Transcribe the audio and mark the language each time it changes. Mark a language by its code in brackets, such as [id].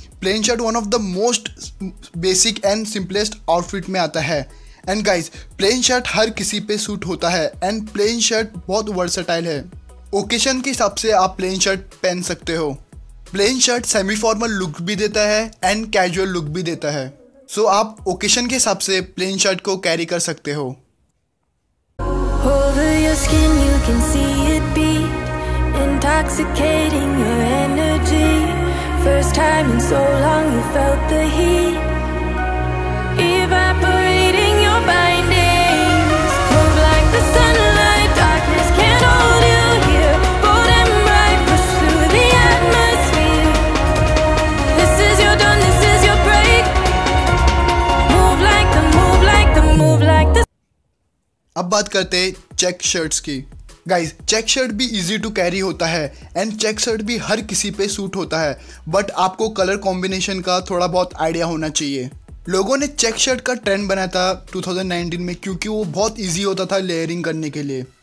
[hi] Plain shirt [en] one of the most basic and simplest outfit [hi] में आता है and guys plain shirt हर किसी पे सूट होता है एंड प्लेन शर्ट बहुत वर्सेटाइल है। ओकेशन के हिसाब से आप प्लेन शर्ट पहन सकते हो। Plain shirt semi formal look भी देता है एंड कैजुअल लुक भी देता है। सो आप ओकेशन के हिसाब से प्लेन शर्ट को कैरी कर सकते हो। [en] Over your skin you can see it beat, intoxicating your energy. First time in so long you felt the heat, evaporating your bindings. Move like the sunlight, darkness can't hold you here. Bold and bright, push through the atmosphere. This is your dawn, this is your break. Move like the, move like the, move like the. [hi] अब बात करते हैं check shirts की। Guys, check shirt भी [en] easy to carry [hi] होता है and check shirt भी हर किसी पे सूट होता है, बट आपको कलर कॉम्बिनेशन का थोड़ा बहुत आइडिया होना चाहिए। लोगों ने चेक शर्ट का ट्रेंड बनाया था 2019 में क्योंकि वो बहुत इजी होता था लेयरिंग करने के लिए।